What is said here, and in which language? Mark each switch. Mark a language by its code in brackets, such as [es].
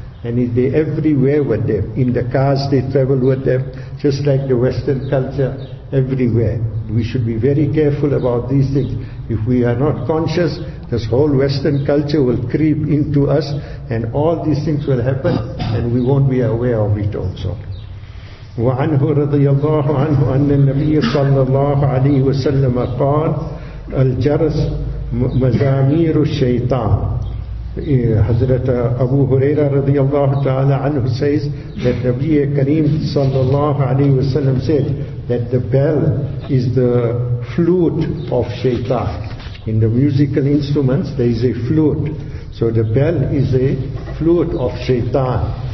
[en] And they're everywhere with them. In the cars they travel with them, just like the Western culture, everywhere. We should be very careful about these things. If we are not conscious, this whole Western culture will creep into us, and all these things will happen, and we won't be aware of it also. [ar] وَعَنْهُ رَضِيَ اللَّهُ عَنْهُ أَنَّ النَّبِيَ صَلَّى اللَّهُ عَلَيْهُ وَسَلَّمَ قَالَ الجرس مزامير الشيطان. [en] Hazrat Abu Huraira radiallahu ta'ala anhu says that Nabi Kareem sallallahu alayhi wa sallam said that the bell is the flute of shaitan. In the musical instruments there is a flute. So the bell is a flute of shaitan.